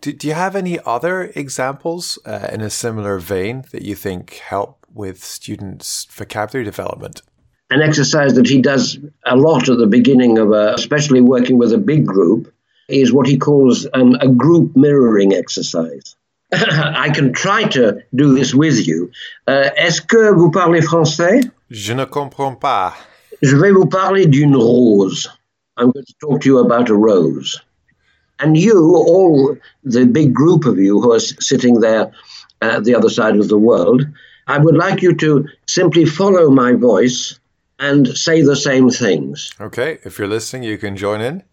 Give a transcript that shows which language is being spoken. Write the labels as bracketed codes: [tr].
[en] Do you have any other examples in a similar vein that you think help with students' vocabulary development? An exercise that he does a lot at the beginning of especially working with a big group, is what he calls a group mirroring exercise. I can try to do this with you. [fr] Est-ce que vous parlez français? Je ne comprends pas. Je vais vous parler d'une rose. [en] I'm going to talk to you about a rose. And you, all the big group of you who are sitting there at the other side of the world, I would like you to simply follow my voice and say the same things. Okay, if you're listening, you can join in.